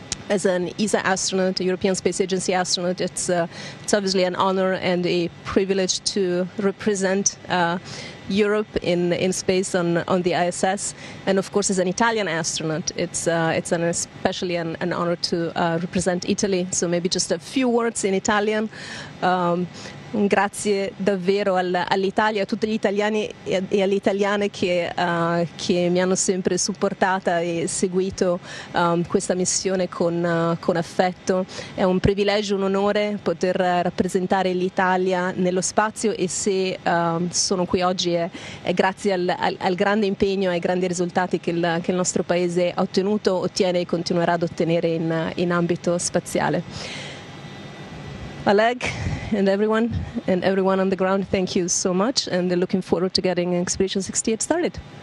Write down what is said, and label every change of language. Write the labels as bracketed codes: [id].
[en] As an ESA astronaut, a European Space Agency astronaut, it's obviously an honor and a privilege to represent Europe in space on the ISS. And of course, as an Italian astronaut, it's an especially an honor to represent Italy. So maybe just a few words in Italian. [it] Grazie davvero all'Italia, a tutti gli italiani e alle italiane che mi hanno sempre supportata e seguito questa missione con affetto. È un privilegio, un onore poter rappresentare l'Italia nello spazio e se sono qui oggi è grazie al grande impegno e ai grandi risultati che il nostro paese ha ottenuto, ottiene e continuerà ad ottenere in ambito spaziale. [en] Oleg and everyone on the ground, thank you so much, and they're looking forward to getting Expedition 68 started.